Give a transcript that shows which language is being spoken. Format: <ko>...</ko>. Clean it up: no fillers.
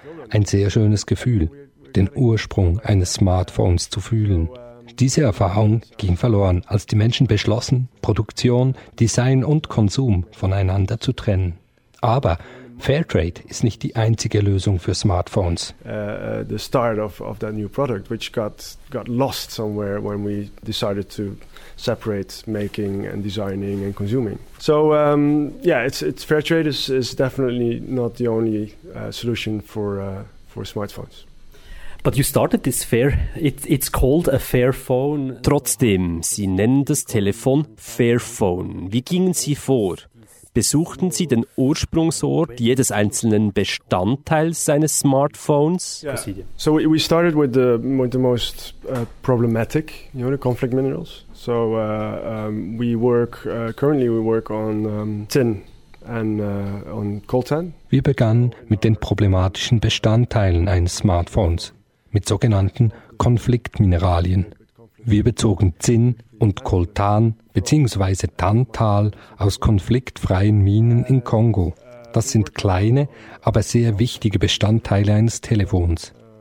<de>Ein sehr schönes Gefühl, den Ursprung eines Smartphones zu fühlen. Diese Erfahrung ging verloren, als die Menschen beschlossen, Produktion, Design und Konsum voneinander zu trennen. Aber Fairtrade ist nicht die einzige Lösung für Smartphones.</de> <en>The start of that new product, which got lost somewhere when we decided to separate making and designing and consuming. So it's Fairtrade is definitely not the only solution for smartphones. But you started this fair. It's called a Fairphone.</en> <de>Trotzdem, Sie nennen das Telefon Fairphone. Wie gingen Sie vor? Besuchten Sie den Ursprungsort jedes einzelnen Bestandteils seines Smartphones?</de> <en>Yeah. So we started with the most problematic, you know, the conflict minerals. So we work on tin and on coltan.</en> <de>Wir begannen mit den problematischen Bestandteilen eines Smartphones, mit sogenannten Konfliktmineralien. Wir bezogen Zinn und Coltan bzw. Tantal aus konfliktfreien Minen in Kongo. Das sind kleine, aber sehr wichtige Bestandteile eines Telefons.</de>